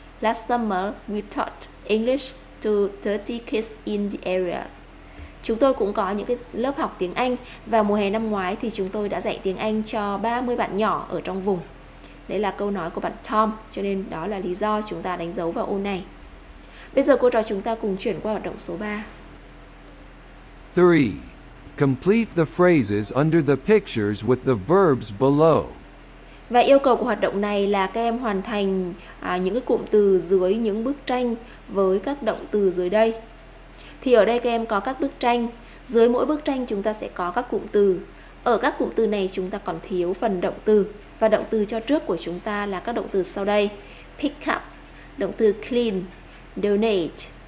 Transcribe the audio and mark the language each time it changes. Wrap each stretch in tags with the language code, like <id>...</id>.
<en>Last summer we taught English to 30 kids in the area.</en> <vi>Chúng tôi cũng có những cái lớp học tiếng Anh và mùa hè năm ngoái thì chúng tôi đã dạy tiếng Anh cho 30 bạn nhỏ ở trong vùng. Đấy là câu nói của bạn Tom, cho nên đó là lý do chúng ta đánh dấu vào ô này. Bây giờ cô trò chúng ta cùng chuyển qua hoạt động số 3. 3.</vi> <en>Complete the phrases under the pictures with the verbs below.</en> <vi>Và yêu cầu của hoạt động này là các em hoàn thành những cái cụm từ dưới những bức tranh với các động từ dưới đây. Thì ở đây các em có các bức tranh. Dưới mỗi bức tranh chúng ta sẽ có các cụm từ. Ở các cụm từ này chúng ta còn thiếu phần động từ. Và động từ cho trước của chúng ta là các động từ sau đây. Pick up, động từ clean, donate,</vi>